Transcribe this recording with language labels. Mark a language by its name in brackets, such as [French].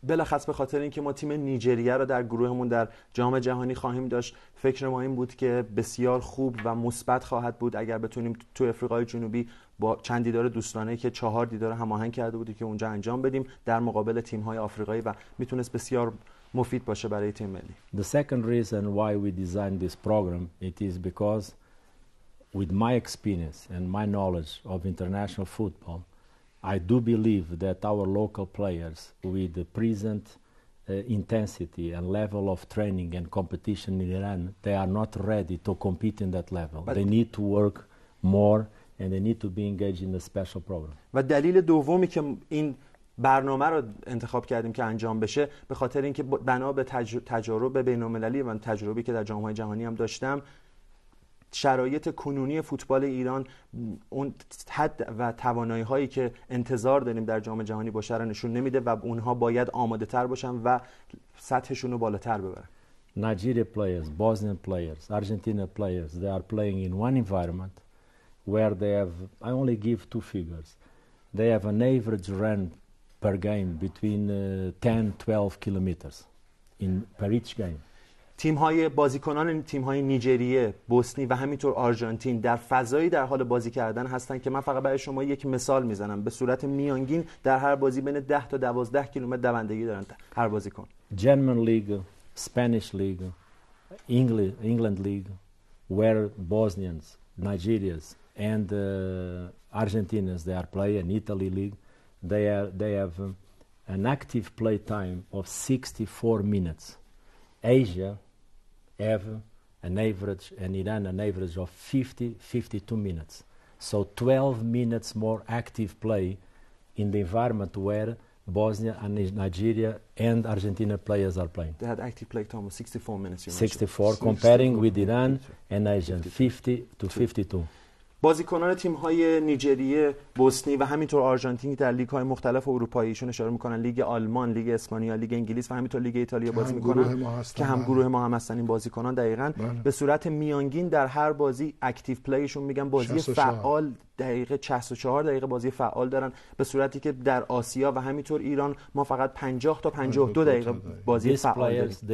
[Persian] بلخص به خاطر اینکه ما تیم نیجریه رو در گروهمون در جام جهانی خواهیم داشت، فکر ما این بود که بسیار خوب و مثبت خواهد بود اگر بتونیم تو افریقای جنوبی با چند دیدار دوستانه که چهار دیدار هماهنگ کرده بودی که اونجا انجام بدیم در مقابل تیم‌های آفریقایی و میتونست بسیار مفید باشه برای تیم ملی. [English] The second reason why we designed this program, it is because with my experience and my knowledge of international football, I do believe that our local players with the present intensity and level of training and competition in Iran, they are not ready to compete in that level. But they need to work more and they need to be engaged in a special program. [Persian] و دلیل دومی که این برنامه رو انتخاب کردیم که انجام بشه به خاطر اینکه بنا به تجربه بین‌المللی و تجربه‌ای که در جام‌های جهانی هم داشتم، شرایط کنونی فوتبال ایران اون حد و توانایی‌هایی که انتظار داریم در جام جهانی باشه رو نشون نمیده و اونها باید آماده‌تر باشن و سطحشون رو بالاتر ببرن. [English] Nigerian players, Bosnian players, Argentina players, they are playing in one environment where they have, I only give two figures, they have an average run per game between 10-12 kilometers in per each game. [Persian] تیم‌های بازیکنان تیم‌های نیجریه، بوسنی و همینطور آرژانتین در فضایی در حال بازی کردن هستند که من فقط برای شما یک مثال میزنم، به صورت میانگین در هر بازی بین 10 تا 12 کیلومتر دوندگی دارند هر بازیکن. [English] German league, Spanish league, England league, where Bosnians, Nigerians and Argentinians they are playing, Italy league, they have an active play time of 64 minutes. Asia have an average, and Iran an average of 52 minutes. So 12 minutes more active play in the environment where Bosnia and Nigeria and Argentina players are playing. They had active play time of 64 minutes. 64, comparing with Iran and Asia, 50 to 52. [Persian] بازیکنان تیم‌های نیجریه، بوسنی و همینطور آرژانتین در لیگ‌های مختلف اروپایی ایشون اشاره می‌کنن، لیگ آلمان، لیگ اسپانیا، لیگ انگلیس و همینطور لیگ ایتالیا بازی می‌کنن که هم گروه ما هم هستن. این بازیکنان دقیقاً به صورت میانگین در هر بازی اکتیو پلی‌شون میگن بازی فعال دقیقه 64 دقیقه بازی فعال دارن، به صورتی که در آسیا و همینطور ایران ما فقط 50 تا 52 دقیقه بازی فعال